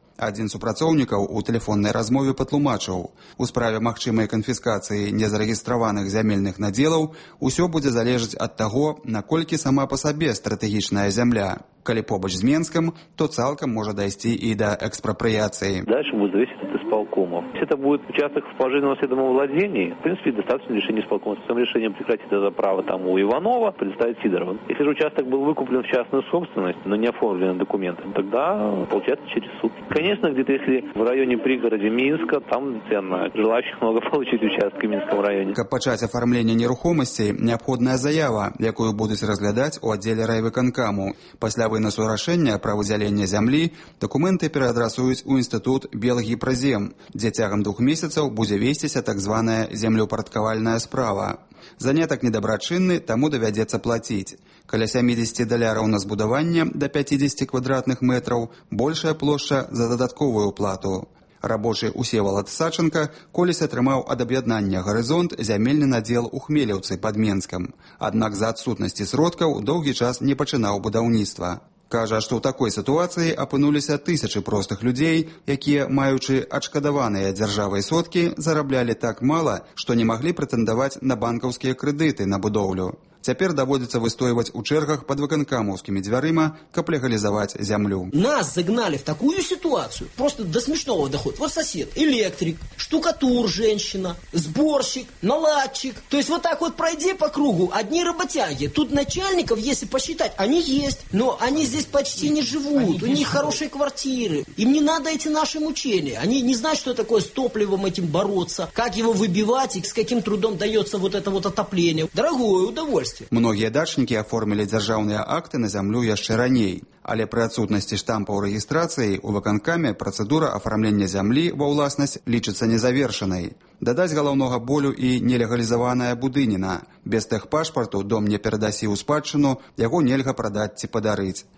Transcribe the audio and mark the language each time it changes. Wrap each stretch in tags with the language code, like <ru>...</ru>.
<be>Адзін супрацоўнікаў у тэлефоннай размове патлумачыў, у справе магчымай канфіскацыі незарэгістраваных зямельных надзелаў усё будзе залежаць ад таго, наколькі сама па сабе стратэгічная зямля. Калі побач з Менскам, то цалкам можа дайсці і да экспрапрыяцыі.</be> <ru>Дальше будзе зависіць ад исполкома. Это будет участок в пожизненном наследном владении. В принципе, достаточно решения исполкома. С тем решением прекратить это право там у Иванова, предоставить Сидорова. Если же участок был выкуплен в частную собственность, но не оформлен документами, тогда получается через суд. Конечно, где-то если в районе пригороде Минска, там цена желающих много получить участки в Минском районе.</ru> <be>Каб пачаць</be> <ru>оформление нерухомости,</ru> <be>необходная заява, якую будуць разглядаць у отделе райвыканкаму. Пасля выносу рашэння пра выдзяленне зямлі, документы пераадрасуюць у інстытут Белгі Празем, дзе цягам 2 месяцаў будзе весціся так званая землеўпарадкавальная справа. Занятак недабрачынны, таму давядзецца плаціць. Каля 70 даляраў на збудаванне да 50 квадратных метраў, большая плошча за дадатковую плату. Рабочы Усеволад Сачанка колісь атрымаў ад аб'яднання «Гарызонт» зямельны надзел у Хмелеўцы пад Менскам. Аднак за адсутнасці сродкаў доўгі час не пачынаў будаўніцтва. Кажа, што ў такой сітуацыі апынуліся тысячы простых людзей, якія, маючы адшкадаваныя дзяржавай соткі, зараблялі так мала, што не маглі прэтэндаваць на банкаўскія крэдыты на будоўлю. Цяпер даводзіцца выстойваць у чэргах пад выканкамаўскімі дзвярыма, каб легалізаваць зямлю.</be> <ru>Нас загналі в такую сітуацыю, просто да смешнога даход. Вот сосед, электрик, штукатур, женщина, зборщик, наладчик. То есть вот так вот пройдзе по кругу, одни работяги. Тут начальников, если посчитать, они есть, но они здесь почти не живут. У них хорошие квартиры. Им не надо эти наши мучения. Они не знают, что такое с топливом этим бороться, как его выбивать и с каким трудом дается вот это вот отопление. Дорогое удовольствие.</ru> <be>Многія дачнікі аформілі дзяржаўныя акты на зямлю яшчэ раней. Але пры адсутнасці штампа ў рэгістрацыі ў выканкаме працэдура афармлення зямлі ва ўласнасць лічыцца незавершанай. Дадаць галаўнога болю і нелегалізаваная будыніна. Без тэхпашпарту дом не перадасі ў спадчыну, яго нельга прадаць ці падарыць.</be>